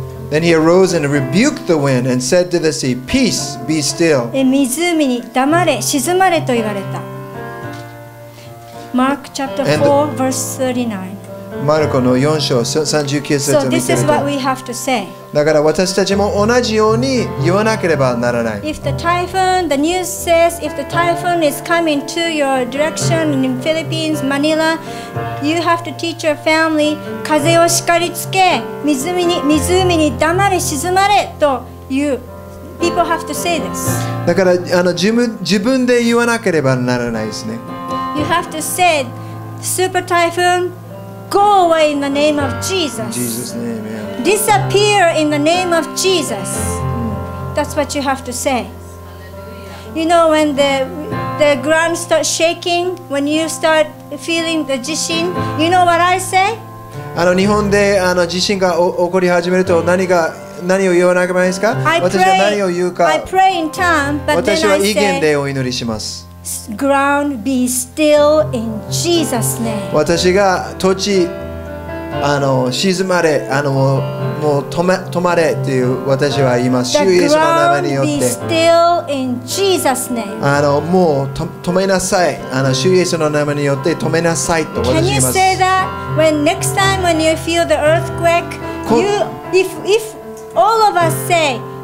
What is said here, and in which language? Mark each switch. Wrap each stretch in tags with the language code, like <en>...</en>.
<en>Then he arose and rebuked the wind and said to the sea, Peace, be still.</en> <ja>湖に黙れ、沈まれと言われた。</ja> <en>Mark chapter 4, verse 39.</en> <ja>マルコの4章39節を見てみると。</ja> <en>So this is what we have to say.</en> <ja>だから私たちも同じように言わなければならない。</ja> <en>If the typhoon, the news says, if the typhoon is coming to your direction in Philippines, Manila,You have to teach your family</en> <ja>風を叱りつけ湖に黙れ沈まれと言う</ja> <en>People have to say this</en> <ja>だからあの自分で言わなければならないですね</ja> <en>You have to say Super typhoon Go away in the name of Jesus Jesus' name, yeah Disappear in the name of Jesus That's what you have to say You know when the ground starts shaking when you start feeling the 地震 you know what I say?</en> <ja>あの日本であの地震が起こり始めると何を言わなければいいですか私は何を言うか</ja> <en>I pray in time, but then</en> <ja>私は異言でお祈りします</ja> <en>ground be still in Jesus name</en> <ja>私が土地あの沈まれあのもう止まれっていう私は言います主イエスの名前によって</ja> <en>be still in Jesus name.</en> <ja>あのもう止めなさいあの主イエスの名前によって止めなさいと私は言います</ja> <en>Can you say that when next time when you feel the earthquake you if all of us say</en>